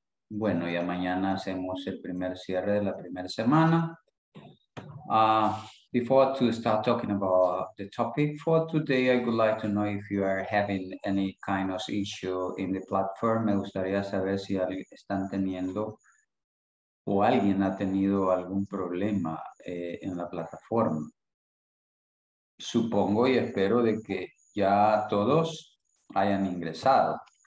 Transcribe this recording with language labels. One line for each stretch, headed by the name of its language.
Spanish: Bueno, ya mañana hacemos el primer cierre de la primera semana.
English: Before to start talking about the topic for today, I would like to know if you are having any kind of issue in the platform.
Spanish: Me gustaría saber si alguien están teniendo o alguien ha tenido algún problema en la plataforma. Supongo y espero de que ya todos hayan ingresado.